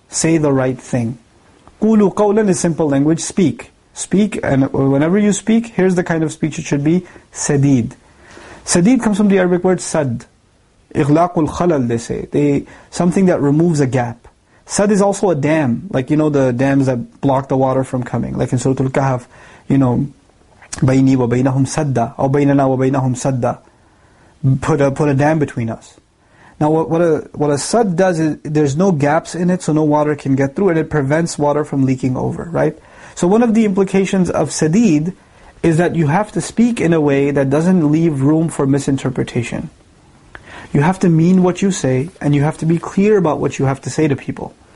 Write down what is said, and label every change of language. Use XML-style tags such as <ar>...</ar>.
<en>Say the right thing.</en> <ar>قُولُوا قَوْلًا</ar> <en>is simple language, speak. Speak, and whenever you speak, here's the kind of speech it should be, سَدِيد. سَدِيد comes from the Arabic word sad.</en> <ar>إِغْلَاقُ الْخَلَلْ,</ar> <en>they say. Something that removes a gap. Sad is also a dam, like you know the dams that block the water from coming. Like in Surah Al-Kahf, you know,</en> <ar>بَيْنِي وَبَيْنَهُمْ سَدَّ أو بَيْنَنَا وَبَيْنَهُمْ سَدَّ.</ar> <en>Put a dam between us. Now what a sad does is, there's no gaps in it, so no water can get through, and it prevents water from leaking over, right? So one of the implications of sadid is that you have to speak in a way that doesn't leave room for misinterpretation. You have to mean what you say, and you have to be clear about what you have to say to people.</en>